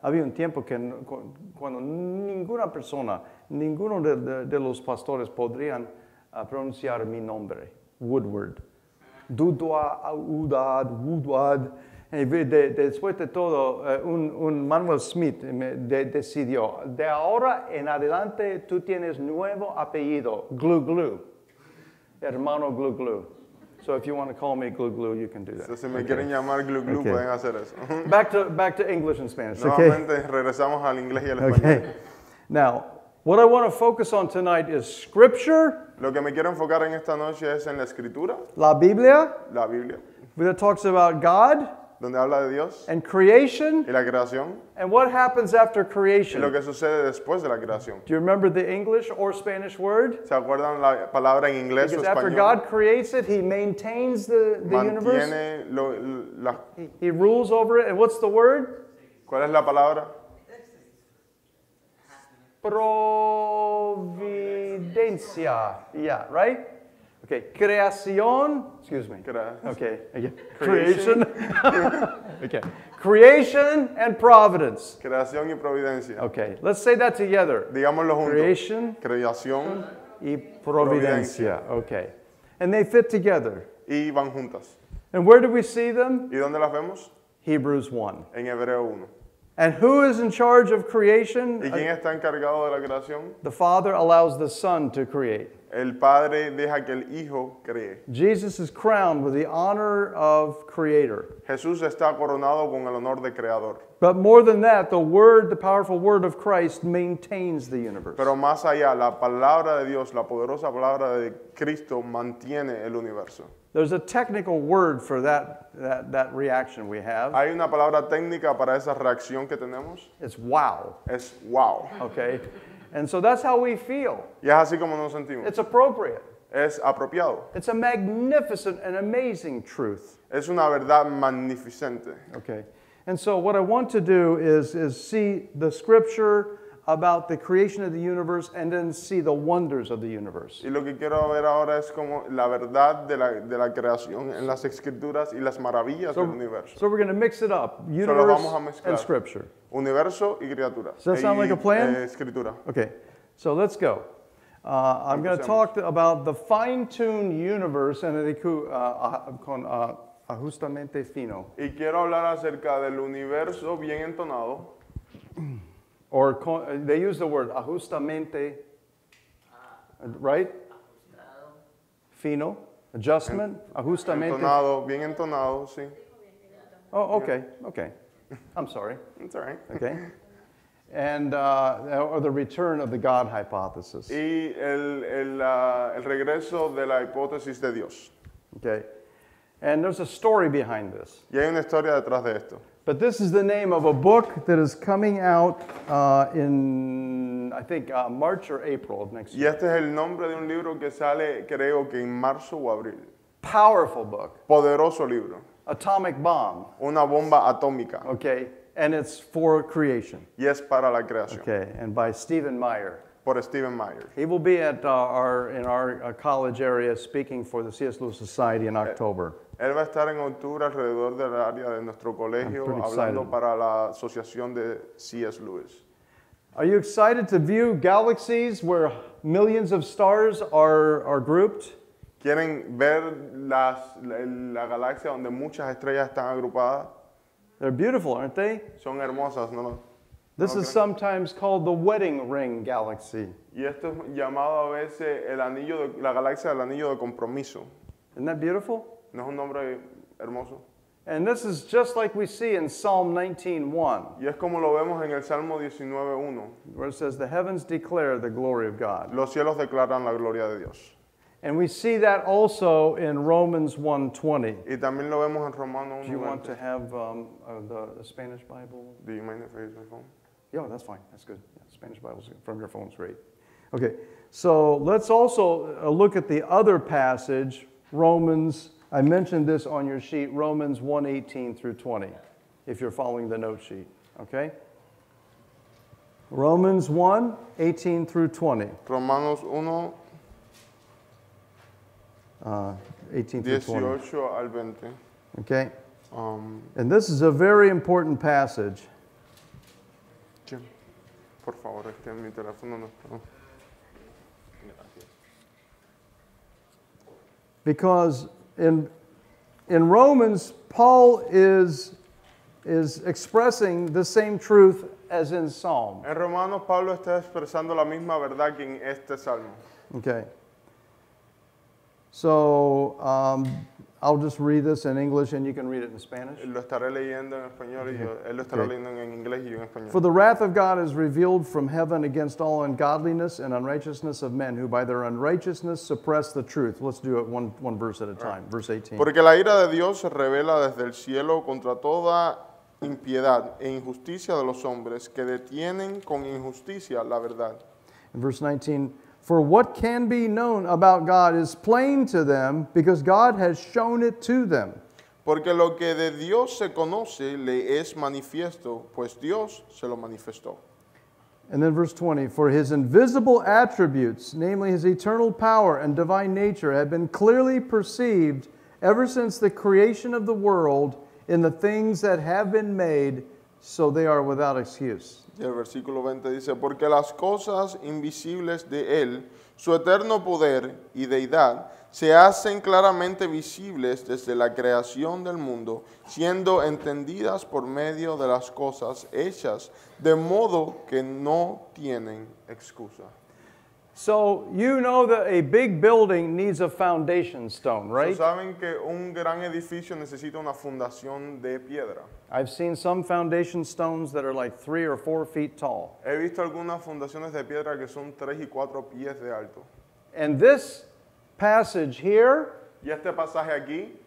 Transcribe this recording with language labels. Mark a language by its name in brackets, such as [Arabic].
[Spanish] Había un tiempo que cuando ninguna persona, ninguno de los pastores podrían pronunciar mi nombre, Woodward. Dudua, Udad, Woodward. Después de todo, un Manuel Smith decidió, de ahora en adelante tú tienes nuevo apellido, Glu Glu. Hermano Glu Glu. [English] So if you want to call me Glu Glu, you can do that. [Spanish] Si me quieren llamar Glu Glu, pueden hacer eso. [English] Back to English and Spanish. Okay. [Spanish] Nuevamente regresamos al inglés y al español. Okay. [English] Now, what I want to focus on tonight is scripture. [Spanish] Lo que me quiero enfocar en esta noche es en la escritura. La Biblia. La Biblia. [English] That talks about God. [Spanish] donde habla de Dios, [English] and creation, [Spanish] y la creación, [English] and what happens after creation. [Spanish] Y lo que sucede después de la creación. [English] Do you remember the English or Spanish word? [Spanish] ¿Se acuerdan la palabra en inglés [English] Because [Spanish] o español? [English] After God creates it, he maintains the [Spanish] Mantiene [English] universe. He rules over it. And what's the word? [Spanish] ¿Cuál es la palabra? [English] Providencia. Yeah, right? Okay, creación. Excuse me. Okay, again. Creation. Okay. Creation and providence. [Spanish] Creación y providencia. [English] Okay, let's say that together. [Spanish] Digámoslo juntos. [English] Creation. [Spanish] Creación. Y providencia. [English] Okay. And they fit together. [Spanish] Y van juntas. [English] And where do we see them? [Spanish] ¿Y dónde las vemos? [English] Hebrews 1. [Spanish] En Hebreo 1. [English] And who is in charge of creation? [Spanish] ¿Y quién está encargado de la creación? [English] The Father allows the Son to create. [Spanish] El Padre deja que el Hijo cree. [English] Jesus is crowned with the honor of Creator. [Spanish] Jesús está coronado con el honor de Creador. [English] But more than that, the Word, the powerful Word of Christ, maintains the universe. [Spanish] Pero más allá, la palabra de Dios, la poderosa palabra de Cristo, mantiene el universo. [English] There's a technical word for that reaction we have. [Spanish] Hay una palabra técnica para esa reacción que tenemos. [English] It's wow. [Spanish] Es wow. [English] Okay. And so that's how we feel. [Spanish] Y es así como nos sentimos. [English] It's appropriate. [Spanish] Es apropiado. [English] It's a magnificent and amazing truth. [Spanish] Es una verdad magnificente. [English] Okay. And so what I want to do is see the scripture about the creation of the universe and then see the wonders of the universe. [Spanish] Y lo que quiero ver ahora es como la verdad de la creación en las escrituras y las maravillas del universo. [English] So we're going to mix it up. Universe and scripture. [Spanish] Universo y criatura. [English] Does that sound like a plan? [Spanish] Escritura. [English] Okay, so let's go. I'm going to talk about the fine-tuned universe and [Spanish] con ajustamente fino. Y quiero hablar acerca del universo bien entonado. [English] Or they use the word ajustamente, right? [Spanish] Fino, adjustment, ajustamente. Entonado, bien entonado, sí. [English] Oh, okay, yeah. Okay. I'm sorry. It's all right. Okay. And or the return of the God hypothesis. [Spanish] Y el regreso de la hipótesis de Dios. [English] Okay. And there's a story behind this. [Spanish] Y hay una historia detrás de esto. [English] But this is the name of a book that is coming out in, I think, March or April of next year. [Spanish] Y este es el nombre de un libro que sale, creo que en marzo o abril. [English] Powerful book. [Spanish] Poderoso libro. [English] Atomic bomb. [Spanish] Una bomba atómica. [English] Okay, and it's for creation. [Spanish] Y es para la creación. [English] Okay, and by Stephen Meyer. [Spanish] Por Stephen Meyer. [English] He will be at our college area speaking for the C.S. Lewis Society in October. [Spanish] Él va a estar en octubre alrededor del área de nuestro colegio hablando para la asociación de C.S. Lewis. [English] Are you excited to view galaxies where millions of stars are grouped? [Spanish] ¿Quieren ver la galaxia donde muchas estrellas están agrupadas? [English] They're beautiful, aren't they? [Spanish] Son hermosas, ¿no? [English] This is sometimes called the wedding ring galaxy. [Spanish] Y esto es llamado a veces la galaxia del anillo de compromiso. [English] Isn't that beautiful? [Spanish] ¿No es un nombre hermoso? [English] And this is just like we see in Psalm 19:1. [Spanish] Y es como lo vemos en el Salmo 19:1. [English] Where it says, the heavens declare the glory of God. [Spanish] Los cielos declaran la gloria de Dios. [English] And we see that also in Romans 1:20. [Spanish] Y también lo vemos en Romanos 1:20. [English] Do you want to have the Spanish Bible? Do you mind if I use my phone? Yeah, that's fine. That's good. Yeah, Spanish Bible's from your phone's great. Okay, so let's also look at the other passage, Romans. I mentioned this on your sheet, Romans 1:18-20, if you're following the note sheet, okay? Romans 1:18-20. [Spanish] Romanos 1, [English] 18-20. Okay? And this is a very important passage. [Spanish] Jim, por favor, en mi teléfono no está. [English] Because in Romans, Paul is expressing the same truth as in Psalm. [Spanish] En Romanos, Pablo está expresando la misma verdad que en este salmo. [English] Okay. So I'll just read this in English and you can read it in Spanish. [Spanish] Lo estaré leyendo en español y él lo estará leyendo en inglés y yo en español. [English] For the wrath of God is revealed from heaven against all ungodliness and unrighteousness of men who by their unrighteousness suppress the truth. Let's do it one verse at a time. Verse 18. [Spanish] Porque la ira de Dios se revela desde el cielo contra toda impiedad e injusticia de los hombres que detienen con injusticia la verdad. [English] In verse 19, for what can be known about God is plain to them because God has shown it to them. [Spanish] Porque lo que de Dios se conoce le es manifiesto, pues Dios se lo manifestó. [English] And then verse 20, for his invisible attributes, namely his eternal power and divine nature, have been clearly perceived ever since the creation of the world in the things that have been made, so they are without excuse. [Spanish] Y el versículo 20 dice, porque las cosas invisibles de él, su eterno poder y deidad, se hacen claramente visibles desde la creación del mundo, siendo entendidas por medio de las cosas hechas, de modo que no tienen excusa. [English] So you know that a big building needs a foundation stone, right? [Spanish] So saben que un gran edificio necesita una fundación de piedra. [English] I've seen some foundation stones that are like 3 or 4 feet tall. [Spanish] He visto algunas fundaciones de piedra que son 3 y 4 pies de alto. [English] And this passage here, [Spanish] y este pasaje aquí,